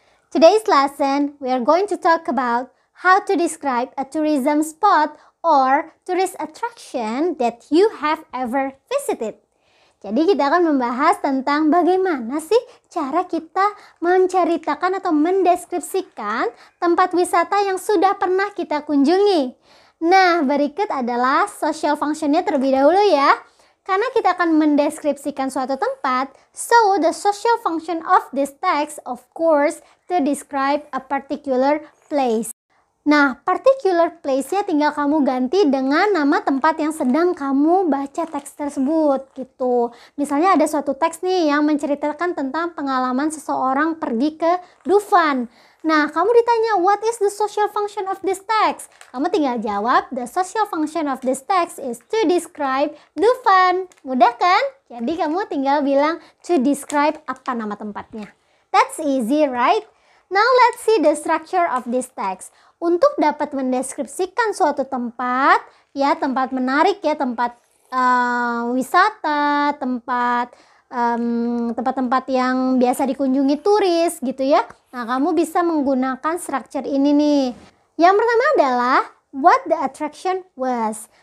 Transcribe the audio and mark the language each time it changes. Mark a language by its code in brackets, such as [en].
[en] Today's lesson, we are going to talk about how to describe a tourism spot or tourist attraction that you have ever visited. [id] Jadi kita akan membahas tentang bagaimana sih cara kita menceritakan atau mendeskripsikan tempat wisata yang sudah pernah kita kunjungi. Nah, berikut adalah social functionnya terlebih dahulu ya. Karena kita akan mendeskripsikan suatu tempat, [en] so the social function of this text, of course, to describe a particular place. [id] Nah, particular place-nya tinggal kamu ganti dengan nama tempat yang sedang kamu baca teks tersebut, gitu. Misalnya ada suatu teks nih yang menceritakan tentang pengalaman seseorang pergi ke Dufan. Nah, kamu ditanya, [en] what is the social function of this text? [id] Kamu tinggal jawab, [en] the social function of this text is to describe Dufan. [id] Mudah kan? Jadi kamu tinggal bilang to describe apa nama tempatnya. [en] That's easy, right? Now, let's see the structure of this text. [id] Untuk dapat mendeskripsikan suatu tempat, ya tempat menarik ya, tempat wisata, tempat tempat-tempat yang biasa dikunjungi turis gitu ya. Nah, kamu bisa menggunakan structure ini nih. Yang pertama adalah [en] what the attraction was.